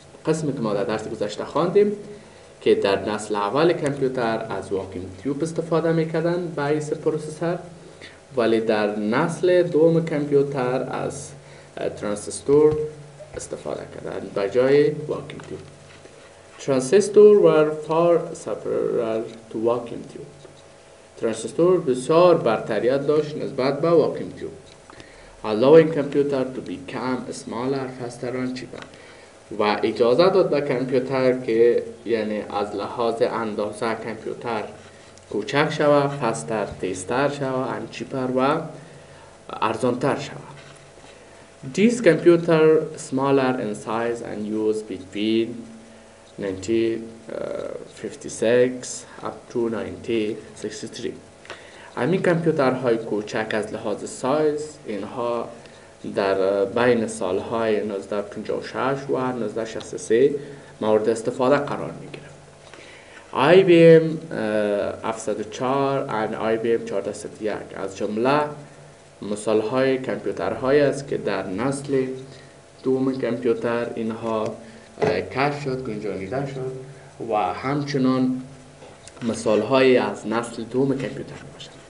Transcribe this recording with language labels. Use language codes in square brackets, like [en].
[fa] قسمی که ما در درس گذشته خواندیم که در نسل اول کامپیوتر از واکیم تیوب استفاده میکردن باعث پروسسور، ولی در نسل دوم کامپیوتر از ترانزیستور استفاده کردن به جای واکیم تیوب. [en] Transistor were far superior to vacuum tube. [fa] Transistor بسیار برتریت داشت نسبت به vacuum tube. [en] Allowing computer to become smaller, faster and cheaper. [fa] و اجازه داد به کامپیوتر که، یعنی از لحاظ اندازه کامپیوتر کوچک شوه، faster، تیزتر شوه [en] and cheaper [fa] و ارزانتر شوه. [en] This computer smaller in size and use between 1956 up to 1963. [fa] امی کامپیوتر های کوچک از لحاظ سایز اینها در بین سال های 1956 و 1963 مورد استفاده قرار می گیرد. IBM 704 و IBM 1401 از جمله مثال های کامپیوتر های است که در نسل دوم کامپیوتر اینها کشف شد، گنجانیده شد و همچنان مثال های از نسل دوم کامپیوتر باشند.